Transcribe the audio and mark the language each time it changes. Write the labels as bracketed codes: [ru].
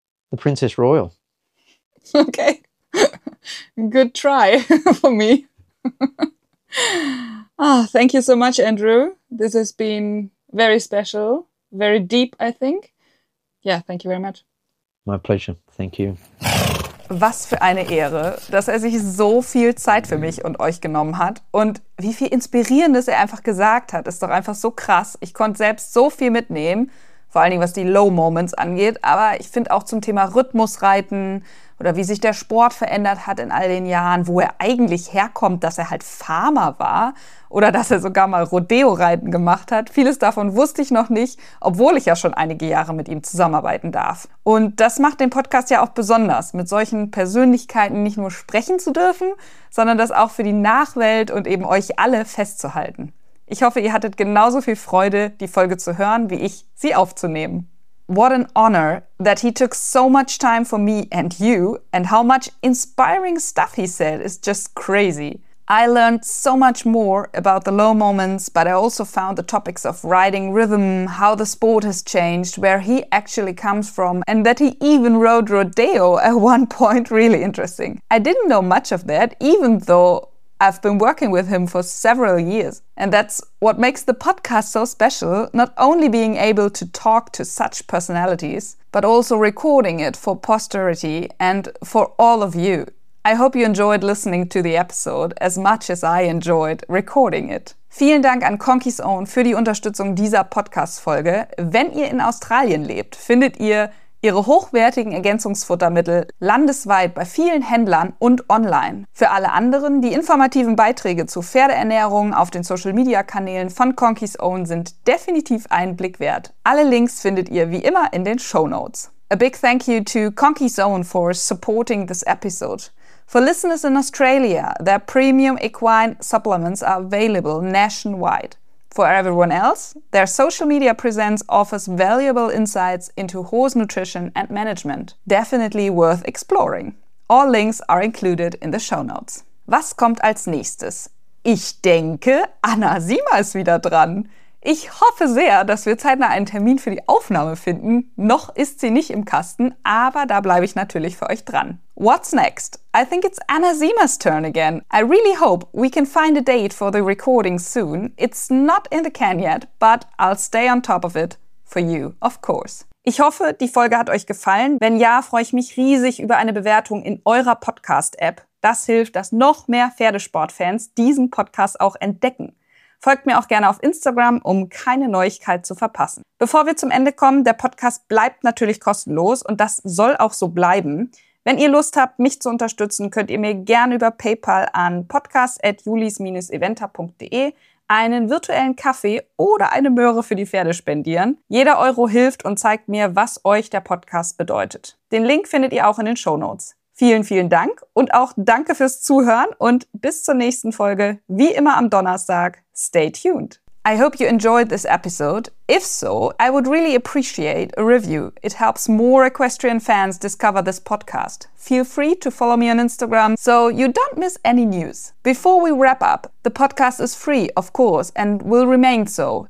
[en] The Princess Royal. Okay. Good try for me. Oh, thank you so much, Andrew. This has been very special, very deep, I think. Yeah, thank you very much. My pleasure. Thank you. [de] Was für eine Ehre, dass sich so viel Zeit für mich und euch genommen hat. Und wie viel Inspirierendes einfach gesagt hat. Ist doch einfach so krass. Ich konnte selbst so viel mitnehmen, vor allen Dingen, was die Low Moments angeht. Aber ich finde auch zum Thema Rhythmusreiten oder wie sich der Sport verändert hat in all den Jahren, wo er eigentlich herkommt, dass er halt Farmer war oder dass er sogar mal Rodeo-Reiten gemacht hat. Vieles davon wusste ich noch nicht, obwohl ich ja schon einige Jahre mit ihm zusammenarbeiten darf. Und das macht den Podcast ja auch besonders, mit solchen Persönlichkeiten nicht nur sprechen zu dürfen, sondern das auch für die Nachwelt und eben euch alle festzuhalten. Ich hoffe, ihr hattet genauso viel Freude, die Folge zu hören, wie ich, sie aufzunehmen. [en] what an honor that he took so much time for me and you, and how much inspiring stuff he said is just crazy. I learned so much more about the low moments, but I also found the topics of riding rhythm, how the sport has changed, where he actually comes from, and that he even rode rodeo at one point really interesting. I didn't know much of that, even though I've been working with him for several years. And that's what makes the podcast so special, not only being able to talk to such personalities, but also recording it for posterity and for all of you. I hope you enjoyed listening to the episode as much as I enjoyed recording it. [de] Vielen Dank an Conky's Own für die Unterstützung dieser Podcast-Folge. Wenn ihr in Australien lebt, findet ihr ihre hochwertigen Ergänzungsfuttermittel landesweit bei vielen Händlern und online. Für alle anderen, die informativen Beiträge zu Pferdeernährung auf den Social-Media-Kanälen von Conky's Own sind definitiv einen Blick wert. Alle Links findet ihr wie immer in den Shownotes. [en] A big thank you to Conky's Own for supporting this episode. For listeners in Australia, their premium equine supplements are available nationwide. For everyone else, their social media presence offers valuable insights into horse nutrition and management. Definitely worth exploring. All links are included in the show notes. [de] Was kommt als nächstes? Ich denke, Anna Sima ist wieder dran. Ich hoffe sehr, dass wir zeitnah einen Termin für die Aufnahme finden. Noch ist sie nicht im Kasten, aber da bleibe ich natürlich für euch dran. [en] What's next? I think it's Anna Sima's turn again. I really hope we can find a date for the recording soon. It's not in the can yet, but I'll stay on top of it for you, of course. [de] Ich hoffe, die Folge hat euch gefallen. Wenn ja, freue ich mich riesig über eine Bewertung in eurer Podcast-App. Das hilft, dass noch mehr Pferdesportfans diesen Podcast auch entdecken. Folgt mir auch gerne auf Instagram, um keine Neuigkeit zu verpassen. Bevor wir zum Ende kommen, der Podcast bleibt natürlich kostenlos und das soll auch so bleiben. Wenn ihr Lust habt, mich zu unterstützen, könnt ihr mir gerne über PayPal an podcast@julis-eventa.de einen virtuellen Kaffee oder eine Möhre für die Pferde spendieren. Jeder Euro hilft und zeigt mir, was euch der Podcast bedeutet. Den Link findet ihr auch in den Shownotes. Vielen, vielen Dank und auch danke fürs Zuhören und bis zur nächsten Folge, wie immer am Donnerstag. [en] Stay tuned. I hope you enjoyed this episode. If so, I would really appreciate a review. It helps more equestrian fans discover this podcast. Feel free to follow me on Instagram so you don't miss any news. Before we wrap up, the podcast is free, of course, and will remain so.